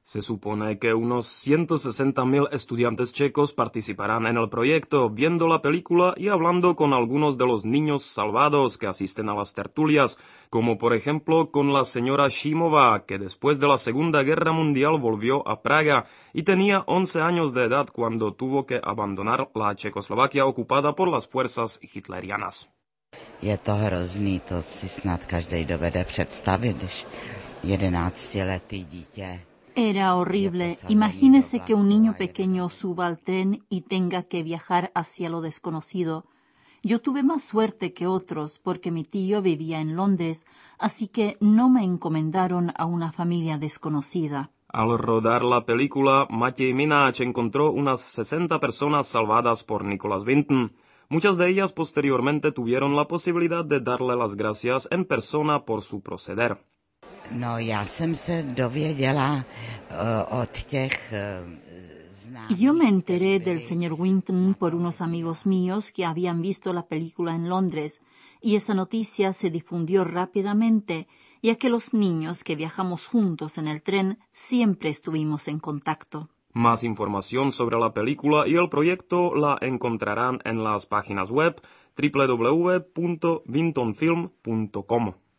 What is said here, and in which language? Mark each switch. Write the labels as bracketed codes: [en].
[es] Se supone que unos 160.000 estudiantes checos participarán en el proyecto, viendo la película y hablando con algunos de los niños salvados que asisten a las tertulias, como por ejemplo con la señora Šimová, que después de la Segunda Guerra Mundial volvió a Praga y tenía 11 años de edad cuando tuvo que abandonar la Checoslovaquia ocupada por las fuerzas hitlerianas. [cs] Je to hrozný, to si snad každej dovede představit, když 11-letý dítě... [es] Era horrible. Imagínese que un niño pequeño suba al tren y tenga que viajar hacia lo desconocido. Yo tuve más suerte que otros porque mi tío vivía en Londres, así que no me encomendaron a una familia desconocida. Al rodar la película, Matej Mináč encontró unas 60 personas salvadas por Nicholas Vinton. Muchas de ellas posteriormente tuvieron la posibilidad de darle las gracias en persona por su proceder. [cs] No, ya jsem se dověděla od těch známých. [es] Yo me enteré del señor Vinton por unos amigos míos que habían visto la película en Londres, y esa noticia se difundió rápidamente, ya que los niños que viajamos juntos en el tren siempre estuvimos en contacto. Más información sobre la película y el proyecto la encontrarán en las páginas web www.vintonfilm.com.